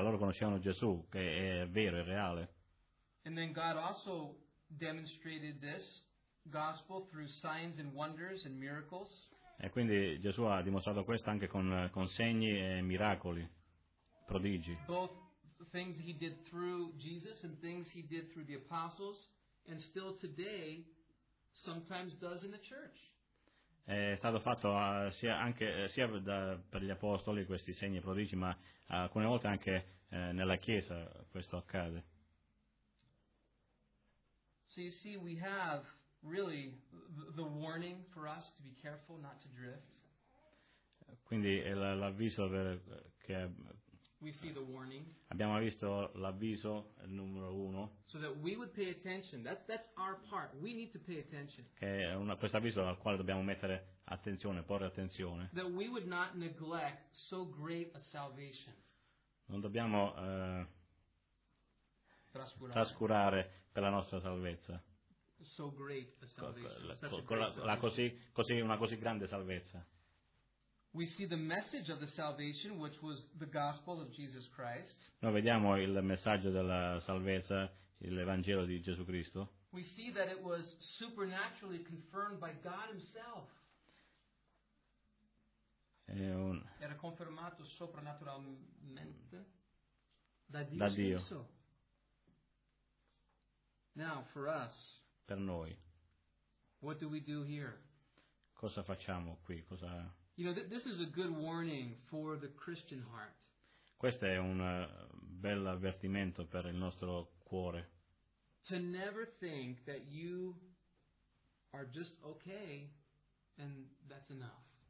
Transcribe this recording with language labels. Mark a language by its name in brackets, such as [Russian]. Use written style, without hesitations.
[Italian] Loro conoscevano Gesù, che è vero, è reale. [English] And then God also demonstrated this gospel through signs and wonders and miracles. [Italian] E quindi Gesù ha dimostrato questo anche con segni e miracoli, prodigi. [English] Both things he did through Jesus and things he did through the apostles, and still today, sometimes does in the church. [Italian] È stato fatto per gli apostoli questi segni e prodigi, ma alcune volte anche nella Chiesa questo accade. [English] So you see, we have really the warning for us to be careful not to drift. [Italian] Quindi è l'avviso che [English] we see the warning. [Italian] Abbiamo visto l'avviso numero uno. [English] So that we would pay attention. That's our part. We need to pay attention. [Italian] Che è questo avviso al quale dobbiamo mettere attenzione, porre attenzione. [English] That we would not neglect so great a salvation. [Italian] Non dobbiamo trascurare per la nostra salvezza. [English] So great a salvation. [Italian] Così grande salvezza. [English] We see the message of the salvation, which was the gospel of Jesus Christ. [Italian] Noi vediamo il messaggio della salvezza, l'Evangelo di Gesù Cristo. [English] We see that it was supernaturally confirmed by God Himself. [Italian] Era confermato soprannaturalmente da Dio stesso. [English] Now, for us, [Italian] per noi, [English] what do we do here? [Italian] Cosa facciamo qui? [English] You know, this is a good warning for the Christian heart. [Italian] Questo è un bel avvertimento per il nostro cuore. [English] To never think that you are just okay and that's enough.